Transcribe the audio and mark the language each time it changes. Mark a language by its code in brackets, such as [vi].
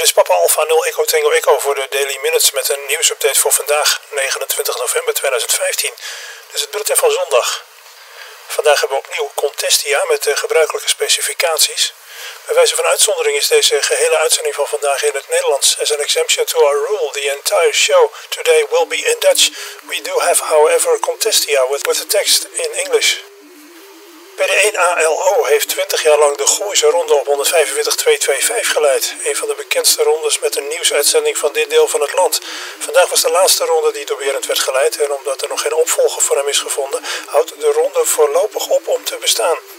[nl] Alpha 0 Echo Tango Echo voor de Daily Minutes met een nieuwsupdate voor vandaag, 29 november 2015. Dit is het bulletin van zondag. Vandaag hebben we opnieuw Contestia met de gebruikelijke specificaties. Bij wijze van uitzondering is deze gehele uitzending van vandaag in het Nederlands. [en] As an exemption to our rule, the entire show today will be in Dutch. We do have, however, Contestia with the text in English. [nl] PD1ALO heeft 20 jaar lang de Gooise ronde op 145.225 geleid. Een van de bekendste rondes met een nieuwsuitzending van dit deel van het land. Vandaag was de laatste ronde die door Berend werd geleid en omdat er nog geen opvolger voor hem is gevonden, houdt de ronde voorlopig op om te bestaan.